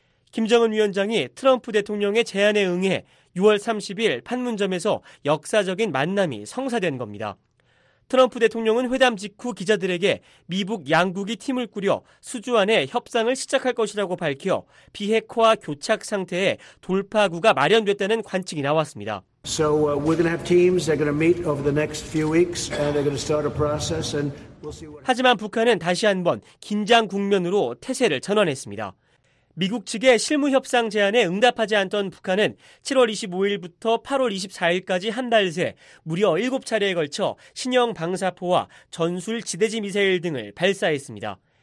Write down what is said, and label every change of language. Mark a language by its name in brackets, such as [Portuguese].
[Korean] 김정은 위원장이 트럼프 대통령의 제안에 응해 6월 30일 판문점에서 역사적인 만남이 성사된 겁니다. 트럼프 대통령은 회담 직후 기자들에게 미북 양국이 팀을 꾸려 수주 안에 협상을 시작할 것이라고 밝혀 비핵화 교착 상태에 돌파구가 마련됐다는 관측이 나왔습니다. [English] So we're going to have teams. They're going to meet over the next few weeks, and they're going to start a process, and we'll see. [Korean] 하지만 북한은 다시 한번 긴장 국면으로 태세를 전환했습니다. 미국 측의 실무 협상 제안에 응답하지 않던 북한은 7월 25일부터 8월 24일까지 한 달 새 무려 7차례에 걸쳐 신형 방사포와 전술 지대지 미사일 등을 발사했습니다.